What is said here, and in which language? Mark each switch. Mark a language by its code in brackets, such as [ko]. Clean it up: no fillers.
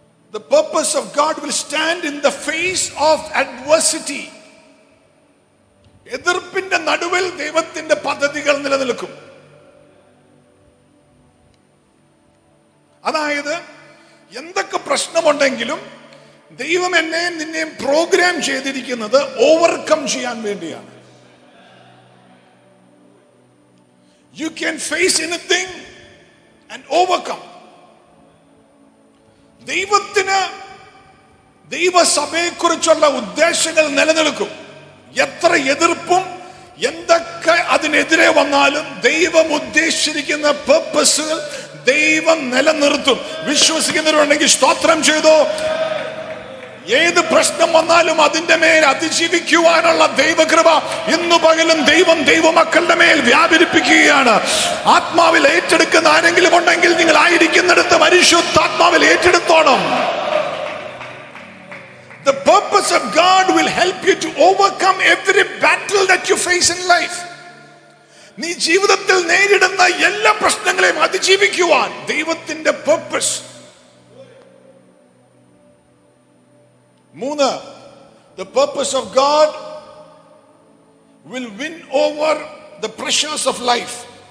[en] The purpose of God will stand in the face of adversity. [ml] എതിർപ്പിന്റെ നടുവിൽ ദൈവത്തിന്റെ പദ്ധതികൾ നിലനിൽക്കും. അതായത്, എന്തൊക്കെ പ്രശ്നമുണ്ടെങ്കിലും ദൈവം എന്നെയും നിന്നെയും പ്രോഗ്രാം ചെയ്തിരിക്കുന്നത് ഓവർകം ചെയ്യാൻ വേണ്ടിയാണ്. [en] You can face anything and overcome. [ml] ദൈവത്തിന് ദൈവസഭയെ കുറിച്ചുള്ള ഉദ്ദേശങ്ങൾ നിലനിൽക്കും. എത്ര എതിർപ്പും എന്തൊക്കെ അതിനെതിരെ വന്നാലും ദൈവം ഉദ്ദേശിച്ചിരിക്കുന്ന പർപ്പസുകൾ ദൈവം നിലനിർത്തും. വിശ്വസിക്കുന്നവരുണ്ടെങ്കിൽ സ്തോത്രം ചെയ്തോ. ഏത് പ്രശ്നം വന്നാലും അതിന്റെ മേൽ അതിജീവിക്കുവാനുള്ള ദൈവകൃപ ഇന്നു പകലും ദൈവം ദൈവമക്കളുടെ മേൽ വ്യാപരിപ്പിക്കുകയാണ്. ആത്മാവിൽ ഏറ്റെടുക്കുന്ന ആരെങ്കിലും ഉണ്ടെങ്കിൽ നിങ്ങൾ ആയിരിക്കുന്നിടത്ത് പരിശുദ്ധാത്മാവിൽ ഏറ്റെടുത്തോണം. [en] The purpose of God will help you to overcome every battle that you face in life. [ml] നീ ജീവിതത്തിൽ നേരിടുന്ന എല്ലാ പ്രശ്നങ്ങളെയും അതിജീവിക്കുവാൻ ദൈവത്തിന്റെ purpose. [en] 3, the purpose of God will win over the pressures of life.